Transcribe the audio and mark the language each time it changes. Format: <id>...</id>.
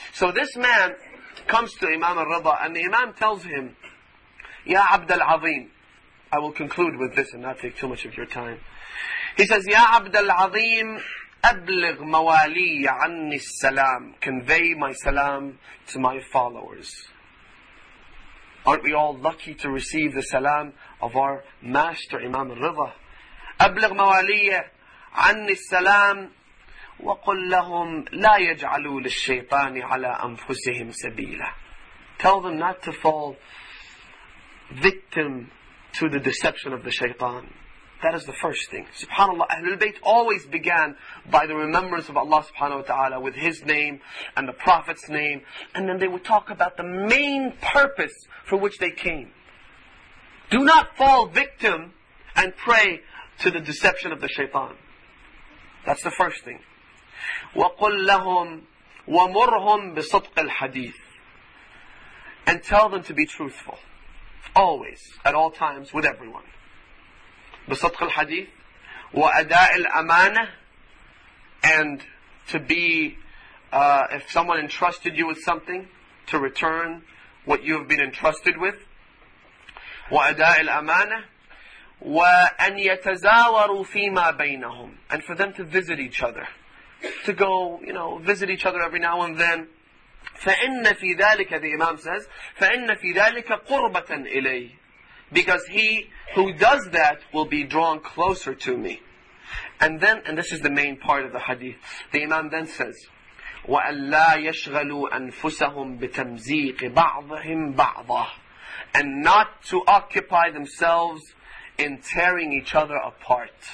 <en>So this man comes to Imam al-Rida and the Imam tells him, Ya Abd al-Azim, I will conclude with this and not take too much of your time. He says,</en> <ar>Ya Abd al-Azim, أبلغ موالي عني السلام.</ar> <en>Convey my salam to my followers. Aren't we all lucky to receive the salam of our master Imam al-Rida?</en> <ar>أبلغ موالي عني السلام وقل لهم لا يجعلوا للشيطان على أنفسهم سبيلا.</ar> <en>Tell them not to fall victim to the deception of the shaitan. That is the first thing. SubhanAllah, Ahlul Bayt always began by the remembrance of Allah subhanahu wa ta'ala with His name and the Prophet's name. And then they would talk about the main purpose for which they came. Do not fall victim and prey to the deception of the shaitan. That's the first thing.</en> <ar>وَقُلْ لَهُمْ وَمُرْهُمْ بِصُدْقِ الْحَدِيثِ.</ar> <en>And tell them to be truthful. Always, at all times, with everyone.</en> <ar>بصدق الحديث وأداء الأمانة.</ar> <en>And to be, if someone entrusted you with something, to return what you have been entrusted with.</en> <ar>وأداء الأمانة وأن يتزاوروا فيما بينهم.</ar> <en>And for them to visit each other. To go, visit each other every now and then.</en> <ar>فإن في ذلك,</ar> <en>the Imam says,</en> <ar>فإن في ذلك قربة إلي.</ar> <en>Because he who does that will be drawn closer to me. And then, and this is the main part of the hadith, the Imam then says,</en> <ar>وَأَلَّا يَشْغَلُوا أَنفُسَهُمْ بِتَمْزِيقِ بَعْضَهِمْ بَعْضًا.</ar> <en>And not to occupy themselves in tearing each other apart.</en>